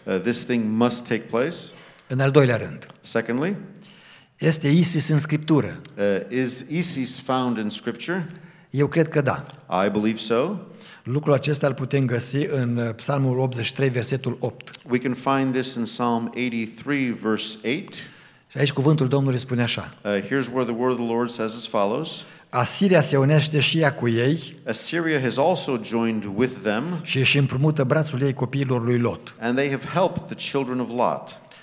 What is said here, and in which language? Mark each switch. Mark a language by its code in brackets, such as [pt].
[en] This thing must take place. [ro] În al doilea rând. [en] Secondly, [ro] este ISIS în scriptură? [en] Is ISIS found in scripture? [ro] Eu cred că da. [en] I believe so. [ro] Lucrul acesta îl putem găsi în Psalmul 83, versetul 8. [en] We can find this in Psalm 83, verse 8. [ro] Și aici cuvântul Domnului spune așa. [en] Here's where the word of the Lord says as follows. [ro] Asiria se unește și ea cu ei. [en] Assyria has also joined with them. [ro] Și își împrumută brațul ei copiilor lui Lot. [en] And they have helped the children of Lot.